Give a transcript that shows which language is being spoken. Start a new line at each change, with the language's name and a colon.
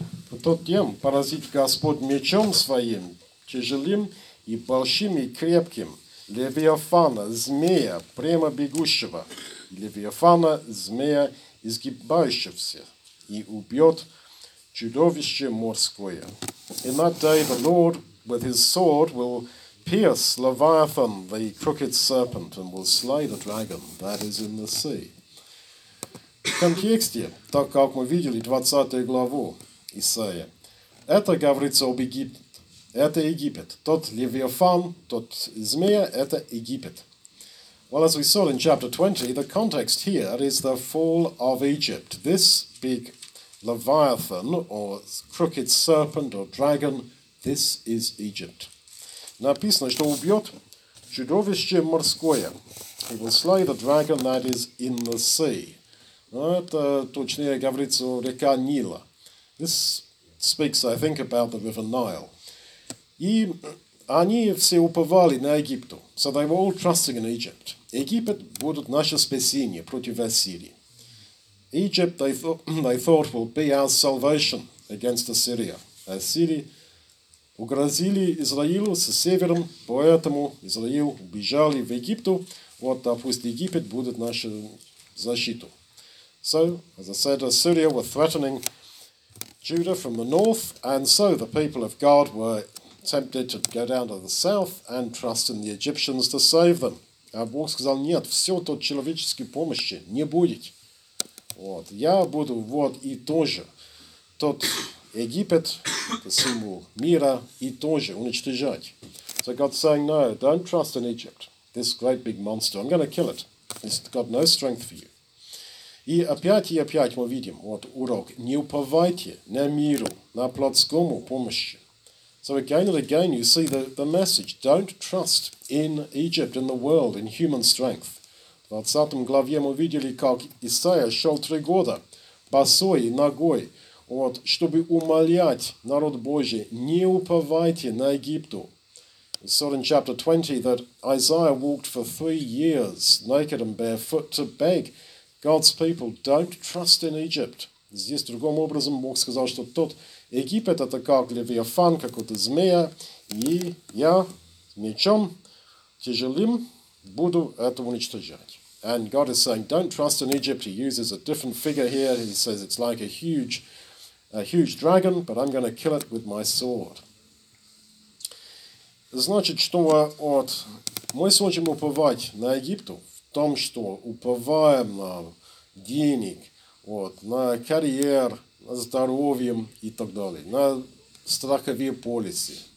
Russian: «В тот день поразит Господь мечом своим, тяжелым и большим и крепким, Левиафана, змея, прямо бегущего, Левиафана, змея, изгибающегося, и убьет чудовище морское.
English: In that day the Lord, with his sword, will pierce Leviathan, the crooked serpent, and will slay the dragon that is in the sea».
Russian: В контексте, так как мы видели 20 главу Исаии, это говорится об Египте. Это Египет. Тот Левиафан, тот змея, это Египет.
English: Well, as we saw in chapter 20, the context here is the fall of Egypt. This big Leviathan, or crooked serpent, or dragon, this is Egypt.
Russian: Написано, что убьет чудовище морское.
English: He will slay the dragon that is in the sea.
Russian: Это точнее говорится о реке Нила.
English: This speaks, I think, about the river Nile.
Russian: И они все уповали на Египту.
English: So they were all trusting in Egypt.
Russian: Египет будет наше спасение против Ассирии.
English: Egypt, they thought, will be our salvation against Assyria.
Russian: Ассирии угрозили Израилю со севером, поэтому Израиль убежали в Египту. Вот, допустим, Египет будет нашу защиту.
English: So, as I said, Assyria were threatening Judah from the north, and so the people of God were tempted to go down to the south and trust in the Egyptians to save them.
Russian: А Бог сказал, нет, все то человеческой помощи не будет. Вот, я буду вот и тоже. Тот Египет, символ мира, и тоже уничтожать.
English: So God's saying, no, don't trust in Egypt, this great big monster. I'm going to kill it. It's got no strength for you.
Russian: И опять мы видим, вот урок, не уповайте на миру, на плотскому помощи.
English: So again and again, you see the message. Don't trust in Egypt, in the world, in human strength.
Russian: В 20 главе мы видели, как Исаия шел 3 года, босой ногой, вот, чтобы умолять народ Божий, не уповайте на Египту.
English: We saw in chapter 20 that Isaiah walked for 3 years, naked and barefoot, to beg God's people, don't trust in Egypt.
Russian: Здесь другим образом Бог сказал, что тот Египет — это как Левиафан, какой-то змея, и я мечом тяжелым буду это уничтожать.
English: And God is saying, don't trust in Egypt. He uses a different figure here. He says it's like a huge dragon, but I'm going to kill it with my sword.
Russian: Значит, что вот мы сможем уповать на Египту в том, что уповаем на денег, вот, на карьер, на здоровьем и так далее, на страховые полисы.